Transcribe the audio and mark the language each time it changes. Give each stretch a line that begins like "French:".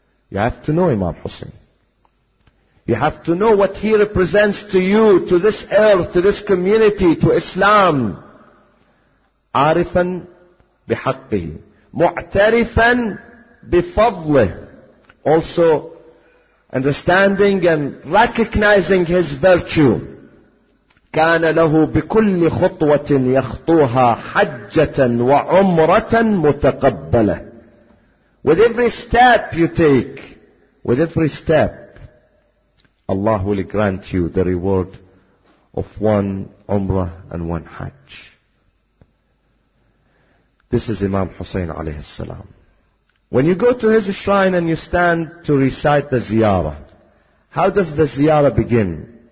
English: You have to know Imam Hussein. You have to know what he represents to you, to this earth, to this community, to Islam.
Arabic: عارفاً بحقه. معترفاً بفضله.
English: Also, understanding and recognizing his virtue.
Arabic: كان له بكل خطوة يخطوها حجة وعمرة متقبلة.
English: With every step you take, with every step, Allah will grant you the reward of one Umrah and one Hajj. This is Imam Hussein alayhi salam. When you go to his shrine and you stand to recite the ziyarah, how does the ziyarah begin?